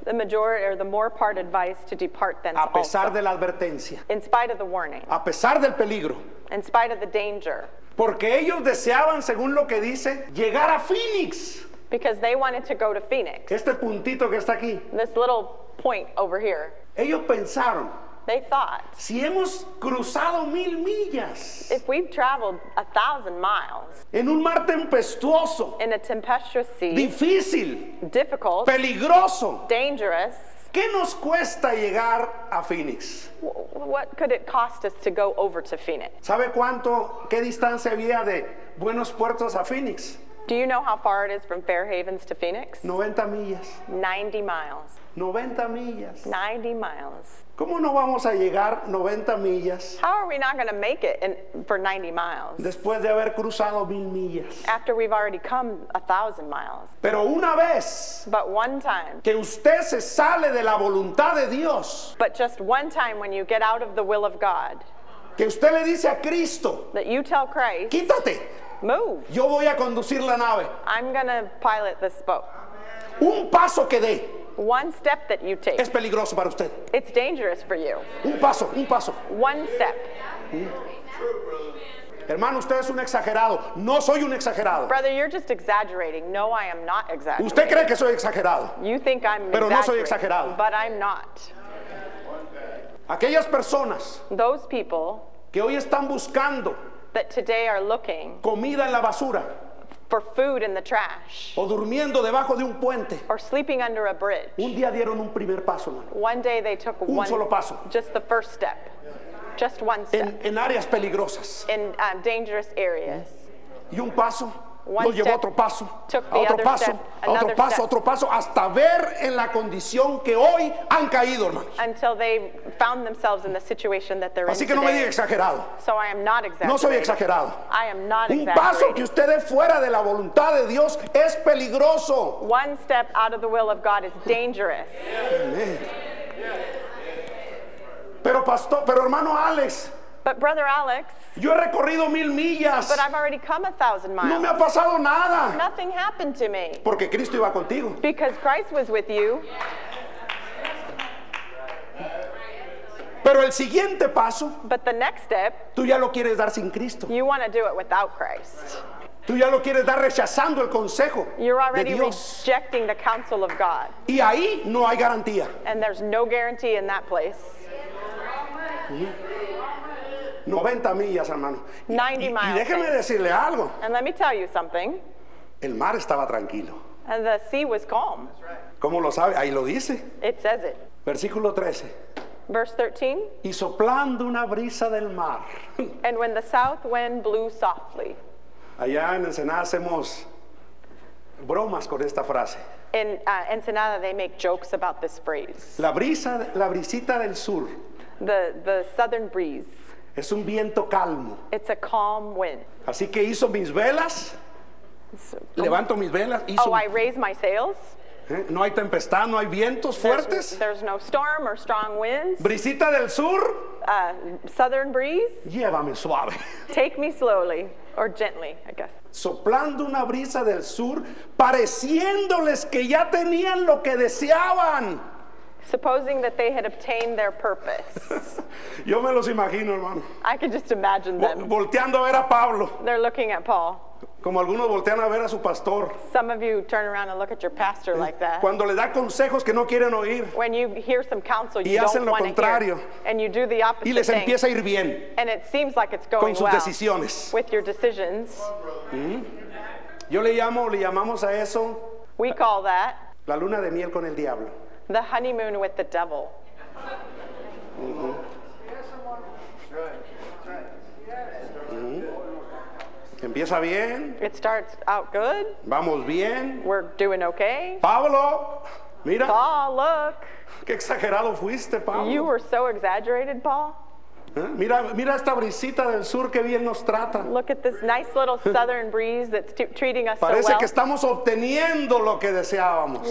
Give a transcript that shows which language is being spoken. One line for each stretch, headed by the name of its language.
English: The majority or the more part advised to depart thence
Spanish: a pesar
English: also,
Spanish: de la advertencia.
English: In spite of the warning.
Spanish: A pesar del peligro.
English: In spite of the danger.
Spanish: Porque ellos deseaban, según lo que dice, llegar a Phoenix.
English: Because they wanted to go to Phoenix.
Spanish: Este puntito que está aquí.
English: This little point over here.
Spanish: Ellos pensaron.
English: They thought.
Spanish: Si hemos cruzado mil millas.
English: If we've traveled 1,000 miles.
Spanish: En un mar tempestuoso.
English: In a tempestuous sea.
Spanish: Difícil.
English: Difficult.
Spanish: Peligroso.
English: Dangerous.
Spanish: ¿Qué nos cuesta llegar a Phoenix?
English: What could it cost us to go over to Phoenix?
Spanish: ¿Sabe cuánto, qué distancia había de Buenos Puertos a Phoenix?
English: Do you know how far it is from Fair Havens to Phoenix?
Spanish: 90 millas.
English: 90 miles.
Spanish: 90 millas.
English: 90 miles.
Spanish: ¿Cómo no vamos a llegar 90 millas?
English: How are we not going to make it for 90 miles?
Spanish: Después de haber cruzado mil millas.
English: After we've already come 1,000 miles.
Spanish: Pero una vez.
English: But one time.
Spanish: Que usted se sale de la voluntad de Dios.
English: But just one time when you get out of the will of God.
Spanish: Que usted le dice a Cristo.
English: That you tell Christ.
Spanish: Quítate.
English: Move.
Spanish: Yo voy a conducir la nave.
English: I'm going to pilot this boat.
Spanish: Un paso que dé.
English: One step that you take.
Spanish: Es peligroso para usted.
English: It's dangerous for you.
Spanish: Un paso, un paso.
English: One step.
Spanish: Hermano, usted es un exagerado. No soy un exagerado.
English: Brother, you're just exaggerating. No, I am not exaggerating.
Spanish: Usted cree que soy exagerado.
English: You think I'm exaggerating.
Spanish: Pero no soy exagerado.
English: But I'm not.
Spanish: Aquellas personas.
English: Those people.
Spanish: Que hoy están buscando.
English: That today are looking
Spanish: comida en la basura,
English: for food in the trash,
Spanish: o durmiendo debajo de un puente,
English: or sleeping under a bridge.
Spanish: Un día dieron un primer paso, hermano.
English: One day they took
Spanish: un
English: one,
Spanish: solo paso.
English: Just the first step, just one step.
Spanish: En áreas peligrosas,
English: in dangerous areas.
Spanish: Y un paso lo llevó otro paso,
English: took the
Spanish: otro
English: other
Spanish: paso,
English: step,
Spanish: otro paso,
English: step.
Spanish: Otro paso, hasta ver en la condición que hoy han caído, hermanos.
English: Until they found themselves in the situation that they're
Spanish: así
English: in.
Spanish: Así que
English: today.
Spanish: No me diga exagerado.
English: So I am not exaggerating.
Spanish: No soy exagerado.
English: I am not exaggerating.
Spanish: Un paso que usted dé fuera de la voluntad de Dios es peligroso.
English: One step out of the will of God is dangerous. Amen.
Spanish: Pero pastor, pero hermano Alex.
English: But brother Alex.
Spanish: Yo he recorrido mil millas.
English: But I've already come 1,000 miles.
Spanish: No me ha pasado nada.
English: Nothing happened to me.
Spanish: Porque Cristo iba contigo.
English: Because Christ was with you.
Spanish: Pero el siguiente paso.
English: But the next step.
Spanish: Tú ya lo quieres dar sin Cristo.
English: You want to do it without Christ.
Spanish: Tú ya lo quieres dar rechazando el consejo de Dios.
English: You're already rejecting the counsel of God.
Spanish: Y ahí no hay garantía.
English: And there's no guarantee in that place.
Spanish: 90 millas, hermano.
English: 90 miles.
Spanish: Y déjeme decirle algo.
English: And let me tell you something.
Spanish: El mar estaba tranquilo.
English: And the sea was calm.
Spanish: ¿Cómo lo sabe? Ahí lo dice.
English: It says it.
Spanish: Versículo 13.
English: Verse 13.
Spanish: Y soplando una brisa del mar.
English: And when the south wind blew softly.
Spanish: Allá en Ensenada hacemos bromas con esta frase.
English: In Ensenada, they make jokes about this phrase.
Spanish: La brisa, la brisita del sur.
English: The southern breeze.
Spanish: Es un viento calmo.
English: It's a calm wind.
Spanish: Así que hizo mis velas. Levanto mis velas.
English: Oh, I raise my sails.
Spanish: No hay tempestad, no hay vientos fuertes.
English: There's no storm or strong winds.
Spanish: Brisita del sur.
English: Southern breeze.
Spanish: Llévame suave.
English: Take me slowly. Or gently, I guess.
Spanish: Soplando una brisa del sur, pareciéndoles que ya tenían lo que deseaban.
English: Supposing that they had obtained their purpose.
Spanish: Yo me los imagino, hermano.
English: I could just imagine them.
Spanish: Volteando a ver a Pablo.
English: They're looking at Paul.
Spanish: Como algunos voltean a ver a su pastor.
English: Some of you turn around and look at your pastor like that.
Spanish: Cuando le da consejos que no quieren oír.
English: When you hear some counsel you
Spanish: y hacen
English: don't
Spanish: lo contrario.
English: Hear, and you do the opposite
Spanish: y les
English: thing.
Spanish: Empieza a ir bien.
English: And it seems like it's going
Spanish: con sus
English: well
Spanish: decisiones.
English: With your decisions. Mm-hmm.
Spanish: Yo le llamamos a eso.
English: We call that.
Spanish: La luna de miel con el diablo.
English: The honeymoon with the devil. Mm-hmm. Mm-hmm.
Spanish: Empieza bien.
English: It starts out good.
Spanish: Vamos bien.
English: We're doing okay.
Spanish: Pablo, mira.
English: Paul, look.
Spanish: Qué exagerado fuiste, Pablo.
English: You were so exaggerated, Paul.
Spanish: Mira esta brisita del sur que bien nos trata.
English: Look at this nice little southern breeze that's treating us so well.
Spanish: Parece que estamos obteniendo lo que deseábamos.